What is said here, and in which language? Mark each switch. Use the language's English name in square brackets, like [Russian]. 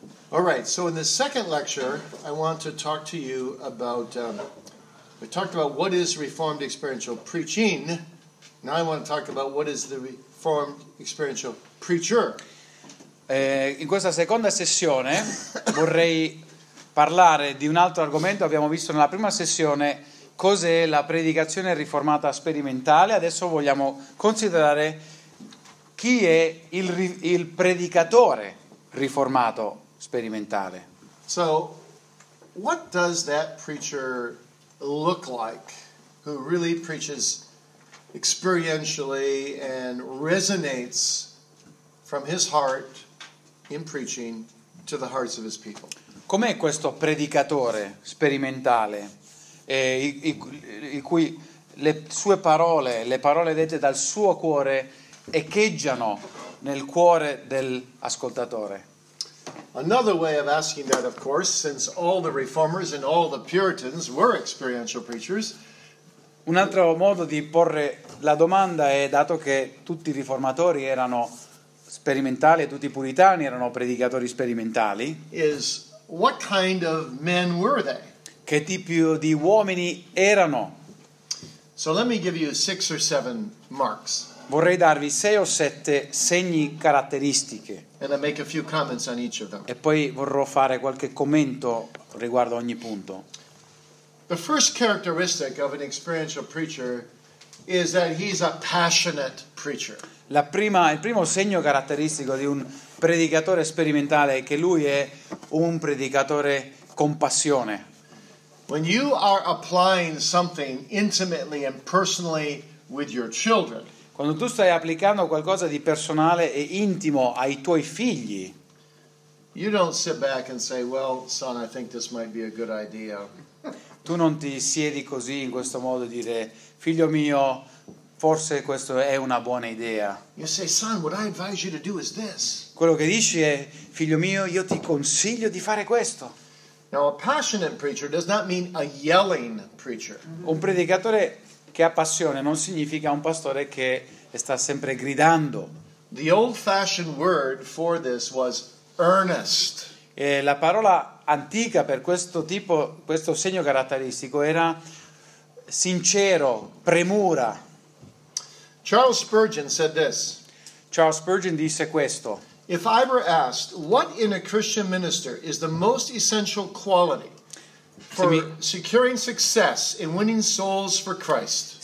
[English] All right, so in the second lecture, I want to talk to you about, we talked about what is Reformed experiential preaching. Now I want to talk about what is the Reformed experiential preacher. [Italian] In questa seconda sessione vorrei parlare di un altro argomento. Abbiamo visto nella prima sessione cos'è la predicazione riformata sperimentale. Adesso vogliamo considerare chi è il predicatore riformato sperimentale. [English] So, what does that preacher look like who really preaches experientially and resonates from his heart in preaching to the hearts of his people? [Italian] Com'è questo predicatore sperimentale in cui le sue parole, le parole dette dal suo cuore echeggiano nel cuore dell'ascoltatore? [English] Another way of asking that, of course, since all the reformers and all the Puritans were experiential preachers. [Italian] Un altro modo di porre la domanda è, dato che tutti i riformatori erano sperimentali, tutti i puritani erano predicatori sperimentali, [English] is what kind of men were they? [Italian] Che tipo di uomini erano? [English] So let me give you six or seven marks. [Italian] Vorrei darvi sei o sette segni caratteristiche. [English] And I make a few comments on each of them. [Italian] E poi vorrò fare qualche commento riguardo ogni punto. [English] The first characteristic of an experiential preacher is that he's a passionate preacher. [Italian] Il primo segno caratteristico di un predicatore sperimentale è che lui è un predicatore con passione. [English] When you are applying something intimately and personally with your children, [Italian] quando tu stai applicando qualcosa di personale e intimo ai tuoi figli, [English] you don't sit back and say, well, son, I think this might be a good idea. [Italian] Tu non ti siedi così in questo modo e dire, figlio mio, forse questo è una buona idea. [English] You say, son, what I advise you to do is this. [Italian] Quello che dici è, figlio mio, io ti consiglio di fare questo. [English] Now, a passionate preacher does not mean a yelling preacher. [Italian] Un predicatore che ha passione non significa un pastore che sta sempre gridando. [English] The old-fashioned word for this was earnest. [Italian] E la parola antica per questo tipo, questo segno caratteristico era sincero, premura. [English] Charles Spurgeon said this. [Italian] Charles Spurgeon disse questo. [English] If I were asked what in a Christian minister is the most essential quality for securing success in winning souls for Christ.